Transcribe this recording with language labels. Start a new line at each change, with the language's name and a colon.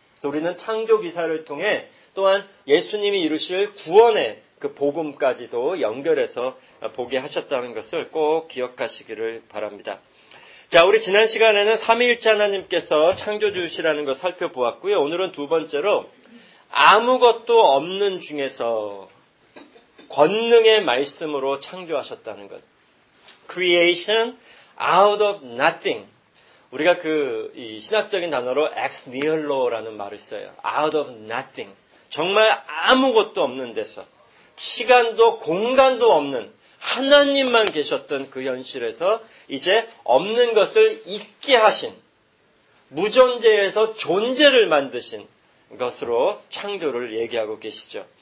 Korean: 그래서 우리는 창조 기사를 통해 또한 예수님이 이루실 구원의 그 복음까지도 연결해서 보게 하셨다는 것을 꼭 기억하시기를 바랍니다. 자, 우리 지난 시간에는 삼위일체 하나님께서 창조주시라는 걸 살펴보았고요. 오늘은 두 번째로 아무것도 없는 중에서 권능의 말씀으로 창조하셨다는 것.
English: Creation out of nothing.
Korean: 우리가 그 이 신학적인 단어로 ex nihilo라는 말을 써요.
English: Out of nothing.
Korean: 정말 아무것도 없는 데서 시간도 공간도 없는 하나님만 계셨던 그 현실에서 이제 없는 것을 있게 하신 무존재에서 존재를 만드신 것으로 창조를 얘기하고 계시죠.